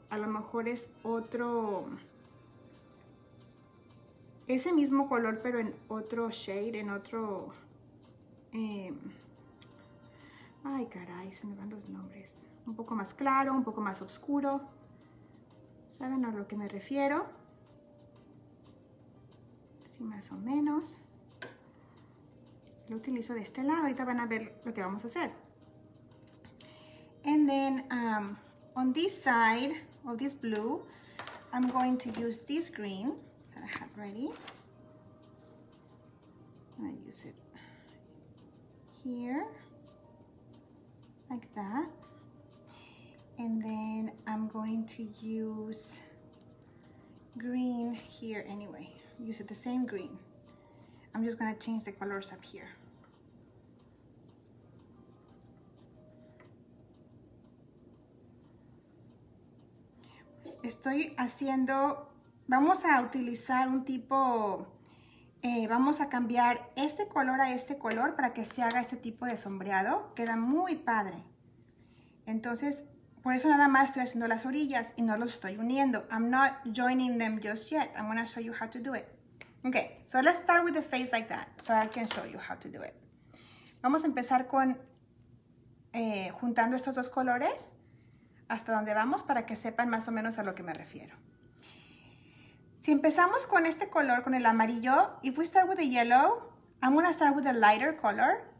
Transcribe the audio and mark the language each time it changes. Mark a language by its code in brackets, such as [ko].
[es] A lo mejor es otro, ese mismo color, pero en otro shade, en otro, ay caray, se me van los nombres. Un poco más claro, un poco más oscuro. ¿Saben a lo que me refiero? Sí, más o menos. Lo utilizo de este lado, ahorita van a ver lo que vamos a hacer. [en] And then, on this side of this blue, I'm going to use this green that I have ready. I'm gonna use it here, like that. And then I'm going to use green here anyway. Use it the same green. I'm just gonna change the colors up here. [es] Estoy haciendo, vamos a utilizar un tipo, vamos a cambiar este color a este color para que se haga este tipo de sombreado. Queda muy padre. Entonces, por eso nada más estoy haciendo las orillas y no los estoy uniendo. [en] I'm not joining them just yet. I'm going to show you how to do it. Okay, so let's start with the face like that so I can show you how to do it. [es] Vamos a empezar con juntando estos dos colores. Hasta dónde vamos para que sepan más o menos a lo que me refiero. Si empezamos con este color, con el amarillo, [en] if we start with the yellow, I'm going to start with a lighter color.